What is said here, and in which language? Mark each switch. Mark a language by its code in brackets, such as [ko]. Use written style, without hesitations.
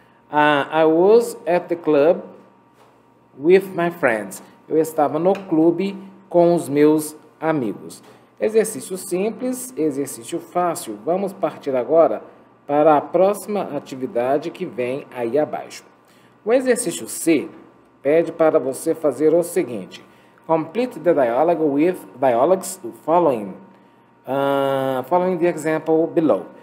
[en] I was at the club with my friends. [pt] Eu estava no clube com os meus amigos. Exercício simples, exercício fácil. Vamos partir agora para a próxima atividade que vem aí abaixo. O exercício C pede para você fazer o seguinte. [en] Complete the dialogue with dialogues following the example below.